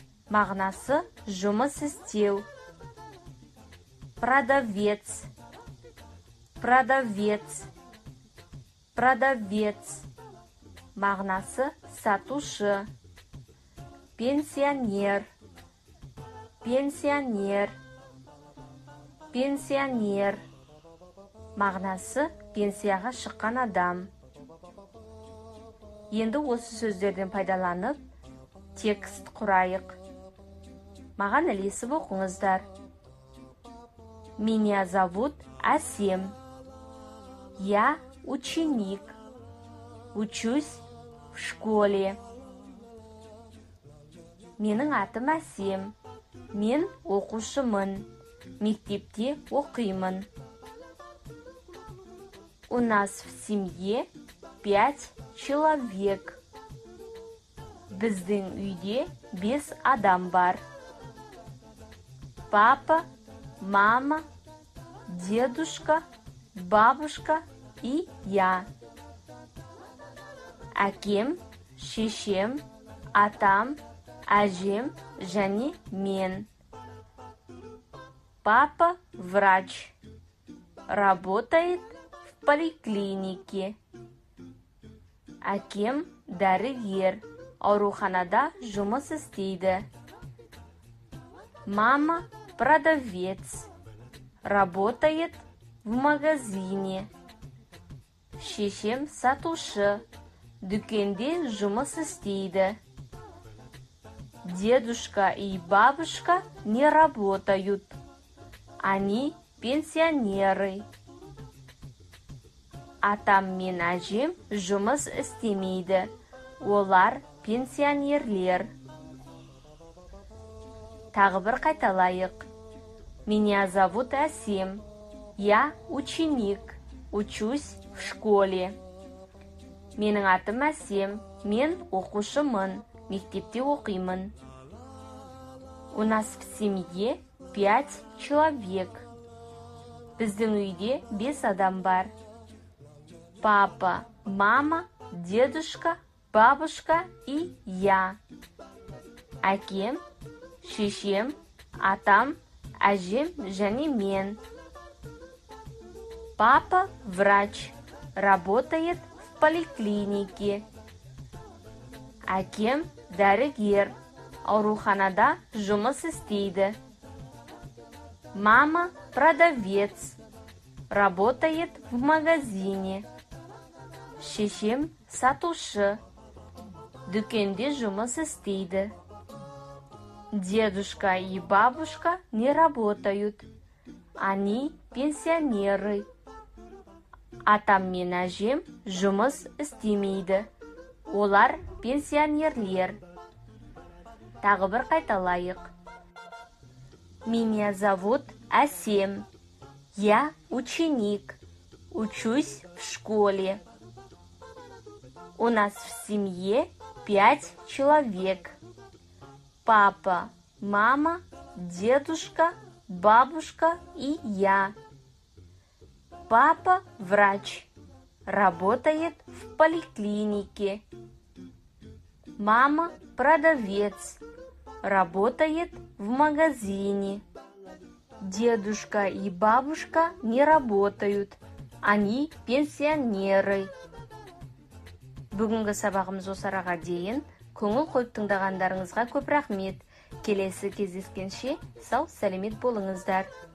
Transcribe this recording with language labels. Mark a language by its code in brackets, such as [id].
[kk] Мағнасы жұмыс істеу. [ru] Продавец, продавец, продавец. [kk] Мағнасы сатушы. [ru] Пенсионер, пенсионер, пенсионер. [kk] Мағнасы пенсияға шыққан адам. Енді осы сөздерден пайдаланып текст құрайық. Маған ілесіп оқыңыздар. [ru] Меня зовут Асем. Я ученик. Учусь в школе. [kk] Менің атым Асем. Мен оқушымын. Мектепте оқимын. [ru] У нас в семье пять человек. [kk] Біздің үйде бес адам бар. [ru] Папа, мама, дедушка, бабушка и я. [kk] Әкем, шешем, атам, әжем және мен. [ru] Папа врач. Работает в поликлинике. [kk] Әкем дәрігер. Ауруханада жұмыс істейді. [ru] Мама продавец. Работает в магазине. [kk] Шешем сатушы. Дүкенде жұмыс істейді. [ru] Дедушка и бабушка не работают. Они пенсионеры. [kk] Атам мен әжем жұмыс істемейді. Олар пенсионерлер. Тағы бір қайталайық. [ru] Меня зовут Асим. Я ученик. Учусь в школе. [kk] Менің атым Асим. Мен оқушымын. Мектепте оқимын. [ru] У нас в семье пять человек. [kk] Біздің үйде бес адам бар. [ru] Папа, мама, дедушка, бабушка и я. [kk] Әкем, шешем, атам, әжем және мен. [ru] Папа врач. Работает в поликлинике. [kk] Әкем дәрігер. Ауруханада жұмыс істейді. [ru] Мама – продавец, работает в магазине. [kk] Шешем – сатушы, дүкенде жұмыс істейді. [ru] Дедушка и бабушка не работают, они пенсионеры. [kk] Атам мен әжем жұмыс істемейді, олар пенсионерлер. Тағы бір қайталайық. [ru] Меня зовут Асем. Я ученик. Учусь в школе. У нас в семье 5 человек. Папа, мама, дедушка, бабушка и я. Папа врач. Работает в поликлинике. Мама продавец. Работает в магазине. Дедушка и бабушка не работают. Они пенсионеры. [kk] Бүгінгі сабағымыз осы араға дейін. Көңіл қойып тыңдағандарыңызға көп рахмет. Келесі кездескенше сау сәлемет болыңыздар.